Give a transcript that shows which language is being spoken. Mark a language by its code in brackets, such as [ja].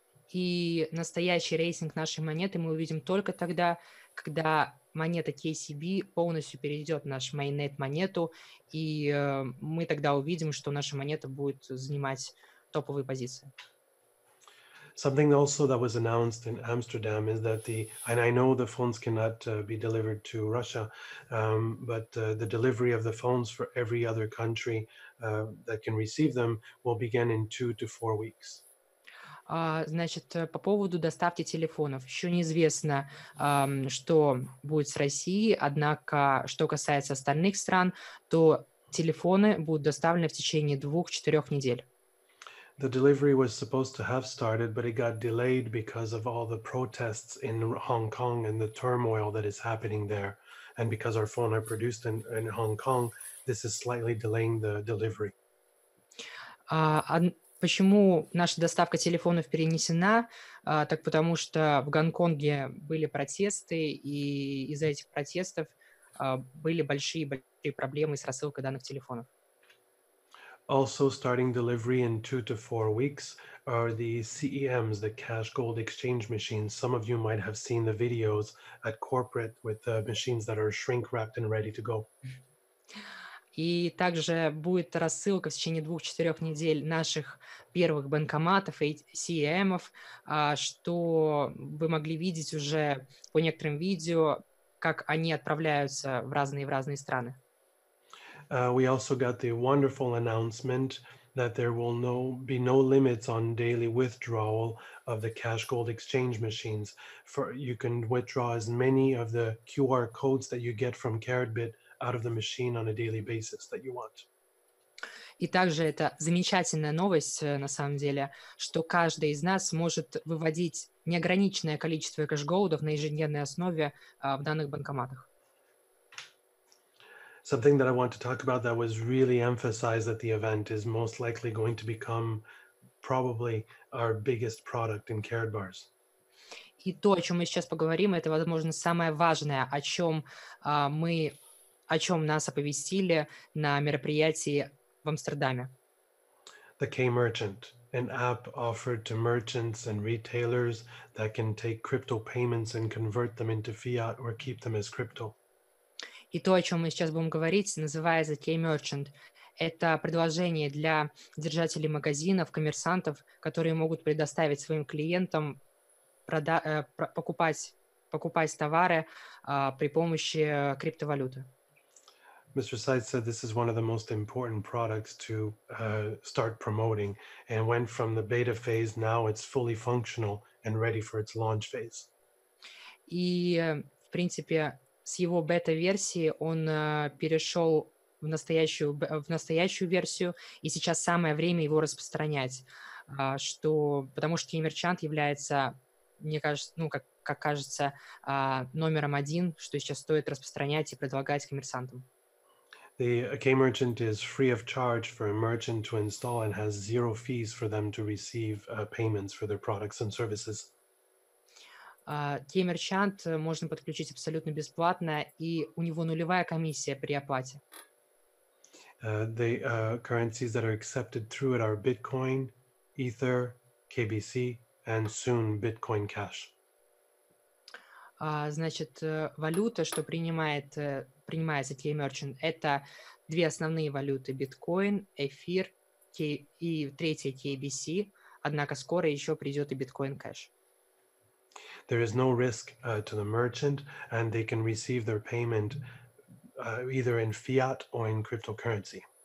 [ru] И настоящий рейтинг нашей монеты мы увидим только тогда, когда монета KCB полностью перейдет в наш mainnet монету, и мы тогда увидим, что наша монета будет занимать топовые позиции. [en] Something also that was announced in Amsterdam is that the, and I know the phones cannot be delivered to Russia, but the delivery of the phones for every other country that can receive them will begin in 2 to 4 weeks. [ru] Значит, по поводу доставки телефонов, еще неизвестно, что будет с Россией, однако, что касается остальных стран, то телефоны будут доставлены в течение 2-4 недель. [en] The delivery was supposed to have started, but it got delayed because of all the protests in Hong Kong and the turmoil that is happening there. And because our phone are produced in Hong Kong, this is slightly delaying the delivery. [ru] Почему наша доставка телефонов перенесена? Так потому что в Гонконге были протесты, и из-за этих протестов были большие-большие проблемы с рассылкой данных телефонов. [en] Also starting delivery in 2 to 4 weeks are the CEMs, the cash gold exchange machines. Some of you might have seen the videos at corporate with the machines that are shrink-wrapped and ready to go. [ru] И также будет рассылка в течение 2-4 недель наших первых банкоматов, ATM-ов, что вы могли видеть уже по некоторым видео, как они отправляются в разные страны. [en] We also got the wonderful announcement that there will be no limits on daily withdrawal of the cash gold exchange machines. For you can withdraw as many of the QR codes that you get from Karatbit out of the machine on a daily basis that you want. [ru] И также это замечательная новость, на самом деле, что каждый из нас может выводить неограниченное количество кэшголдов на ежедневной основе в данных банкоматах. [en] Something that I want to talk about that was really emphasized at the event is most likely going to become probably our biggest product in Karatbars. [ru] И то, о чем мы сейчас поговорим, это, возможно, самое важное, о чем нас оповестили на мероприятии в Амстердаме. [en] The K-Merchant, an app offered to merchants and retailers that can take crypto payments and convert them into fiat or keep them as crypto. [ru] И то, о чем мы сейчас будем говорить, называется K-Merchant. Это предложение для держателей магазинов, коммерсантов, которые могут предоставить своим клиентам покупать товары при помощи криптовалюты. [en] Mr. Seitz said this is one of the most important products to start promoting and went from the beta phase, now it's fully functional and ready for its launch phase. [ru] И, в принципе, с его бета-версии он перешел в настоящую версию, и сейчас самое время его распространять, потому что K-Merchant является, мне кажется, номером один, что сейчас стоит распространять и предлагать коммерсантам. [en] The K-Merchant is free of charge for a merchant to install and has zero fees for them to receive payments for their products and services. [ru] K-Merchant можно подключить абсолютно бесплатно, и у него нулевая комиссия при оплате. [en] The currencies that are accepted through it are Bitcoin, Ether, KBC, and soon Bitcoin Cash. [ru] Валюта, что принимается K-Merchant, это две основные валюты – биткоин, эфир и третья – KBC, однако скоро еще придет и биткоин кэш. [en] There is no risk to the merchant, and they can receive their payment either in fiat or in cryptocurrency.